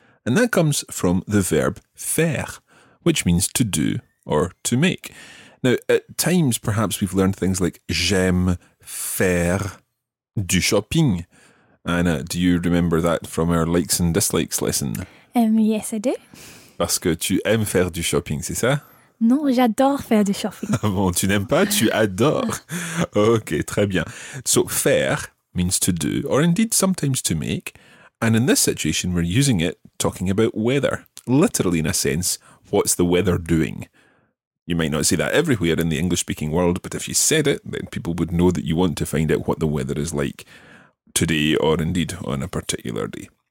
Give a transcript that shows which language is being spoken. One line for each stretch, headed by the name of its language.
English: And that comes from the verb faire, which means to do or to make. Now, at times, perhaps we've learned things like
French: j'aime faire du shopping.
English: Anna, do you remember that from our likes and dislikes lesson? Yes, I do.
French: Parce que tu aimes faire du shopping, c'est ça? Non, j'adore faire du shopping. Ah bon, tu n'aimes pas, tu adores. Ok, très bien.
English: So, faire means to do, or indeed sometimes to make. And in this situation, we're using it talking about weather. Literally, in a sense, what's the weather doing? You might not say that everywhere in the English-speaking world, but if you said it, then people would know that you want to find out what the weather is like today or indeed on a particular day.